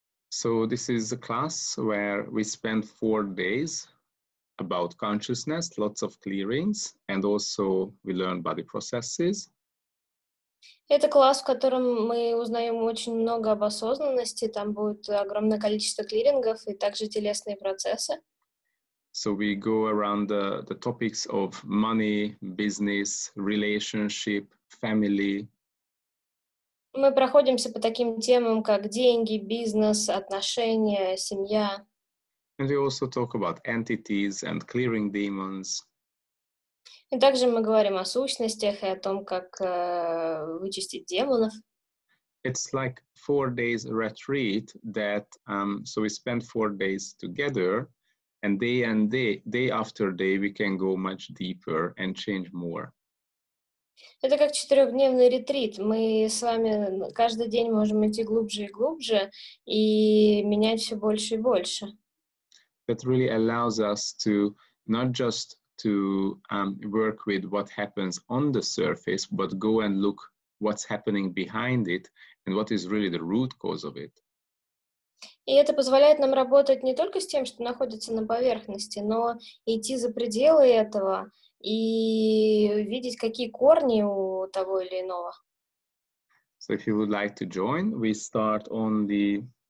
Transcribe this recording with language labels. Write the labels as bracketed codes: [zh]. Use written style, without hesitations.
[en] So this is a class where we spend 4 days about consciousness, lots of clearings, and also we learn body processes. [ru] Это класс, в котором мы узнаем очень много об осознанности. Там будет огромное количество клирингов и также телесные процессы. [en] So we go around the topics of money, business, relationship, family. [ru] Мы проходимся по таким темам, как деньги, бизнес, отношения, семья. [en] And we also talk about entities and clearing demons. [ru] И также мы говорим о сущностях и о том, как вычистить демонов. [en] It's like 4 days retreat that so we spend 4 days together, and day after day we can go much deeper and change more. [ru] Это как четырехдневный ретрит. Мы с вами каждый день можем идти глубже и глубже и менять все больше и больше. [en] That really allows us to not just to work with what happens on the surface, but go and look what's happening behind it and what is really the root cause of it. [ru] И это позволяет нам работать не только с тем, что находится на поверхности, но идти за пределы этого и видеть, какие корни у того или иного. [en] So if you would like to join, we start on the